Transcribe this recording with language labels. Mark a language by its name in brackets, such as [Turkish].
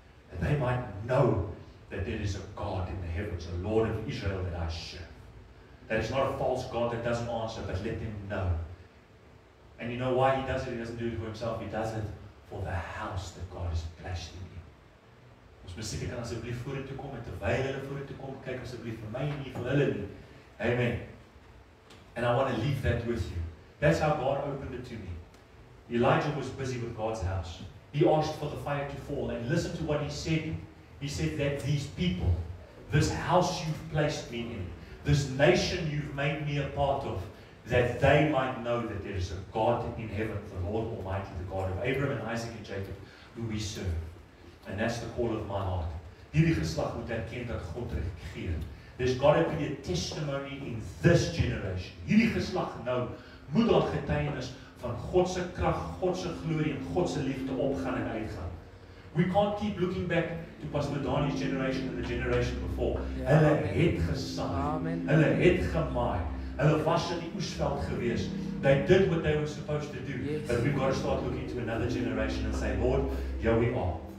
[English] That they might know that there is a God in the heavens, a Lord of Israel that I serve. That is not a false God that doesn't answer, but let him know. And you know why he does it? He doesn't do it for himself. He does it for the house that God has placed in him. [Afrikaans] Ons musiek kan asseblief vorentoe kom en terwyl hulle vorentoe kom, kyk asseblief vir my nie, vir hulle nie. [English] Amen. And I want to leave that with you. That's how God opened it to me. Elijah was busy with God's house. He asked for the fire to fall and listen to what he said. He said that these people, this house you've placed me in, this nation you've made me a part of, that they might know that there is a God in heaven, the Lord Almighty, the God of Abraham and Isaac and Jacob, who we serve. And that's the call of my heart. [Afrikaans] Hierdie geslag moet erken dat God regeer. [English] There's got to be a testimony in this generation. [Afrikaans] Hierdie geslag nou moet daar getuienis van God se krag, God se glorie en God se liefde opgaan en uitgaan. [English] We can't keep looking back to Pastor Donnie's generation and the generation before. [Afrikaans] Yeah, hulle het gesaai. Hulle het gemaai. Hulle was in die oesveld gewees. [English] They did what they were supposed to do. Yes. But we've got to start looking to another generation and say, Lord, here we are.